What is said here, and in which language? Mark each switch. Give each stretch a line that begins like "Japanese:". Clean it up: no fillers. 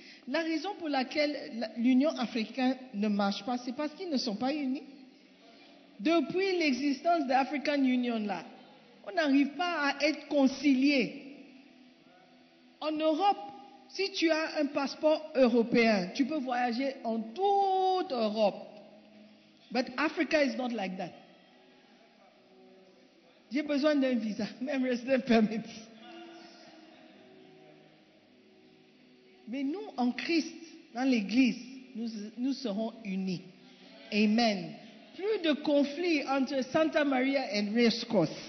French: La raison pour laquelle l'Union africaine ne marche pas, c'est parce qu'ils ne sont pas unis. Depuis l'existence de l'African Union là, on n'arrive pas à être concilié. En Europe, si tu as un passeport européen, tu peux voyager en toute Europe.
English: But Africa is not like that.
French: J'ai besoin d'un visa, même resident permit. Mais nous, en Christ, dans l'Église, nous serons unis. Amen. Plus de conflits entre Santa Maria et Rescos.